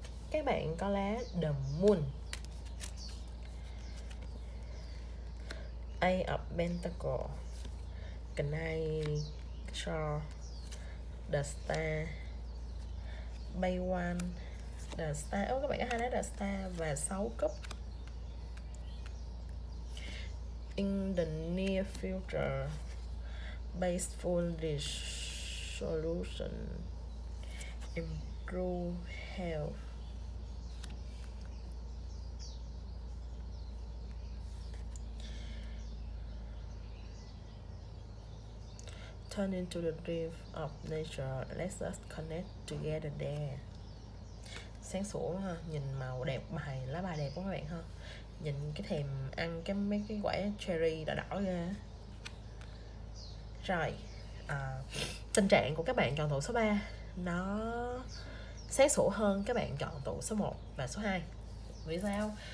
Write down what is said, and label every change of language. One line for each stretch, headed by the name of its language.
Vietnamese: Các bạn có lá The Moon, Eight of Pentacles, Knight Sword, The Star, Page One, The Star. Các bạn có hai lá The Star và 6 cúp.
English: In the near future, peaceful resolution, improve health. Turn into the drift of nature. Let us connect together there.
Vietnamese: Sáng sủa ha, nhìn màu đẹp bài, lá bài đẹp của các bạn ha. Nhìn cái thèm ăn cái mấy cái quả cherry đỏ đỏ ra. Rồi, tình trạng của các bạn chọn tụ số 3 nó sáng sủa hơn các bạn chọn tụ số 1 và số 2. Vì sao?